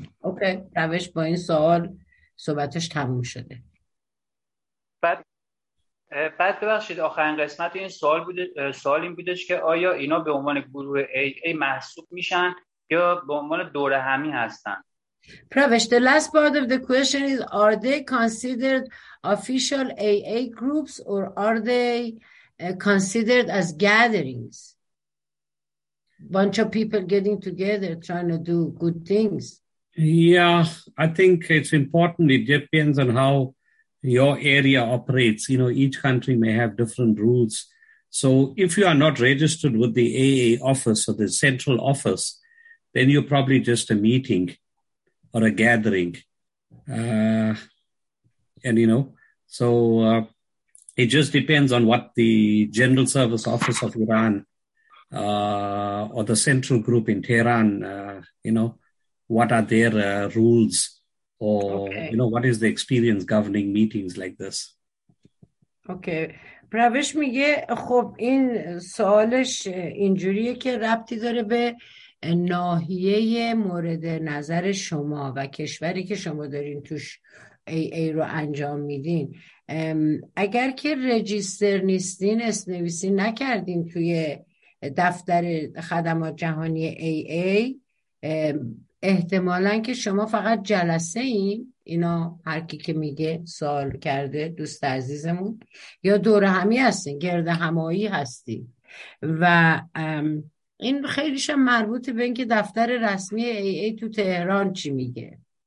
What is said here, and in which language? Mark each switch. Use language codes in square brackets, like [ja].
[fa] Okay, Pravesh, با این سوال صحبتش تموم شده. بعد ببخشید آخرین قسمت این سوال بوده سوال این بودش که آیا اینا به عنوان گروه AA محسوب میشن یا به عنوان دوره همی هستن؟ [en] Pravesh, the last part of the question is are they considered official AA groups or are they considered as gatherings? Bunch of people getting together trying to do good things. Yeah, I think it's important. It depends on how your area operates. You know, each country may have different rules. So if you are not registered with the AA office or the central office, then you're probably just a meeting or a gathering. And, you know, so it just depends on what the General Service Office of Iran or the central group in Tehran, you know, what are their rules or, okay. You know, what is the experience governing meetings like this? Okay. [fa] Pravesh میگه خب این سوالش اینجوریه که ربطی داره به ناحیه مورد نظر شما و کشوری که شما دارین توش AA رو انجام میدین. اگر که رجیستر نیستین اسم نویسی نکردین توی دفتر خدمات جهانی AA احتمالاً که شما فقط جلسه این اینا هر کی که میگه سوال کرده دوست عزیزمون یا دور همی هستین گرد همایی هستین و این خیلیش هم مربوط به اینکه دفتر رسمی AA تو تهران چی میگه.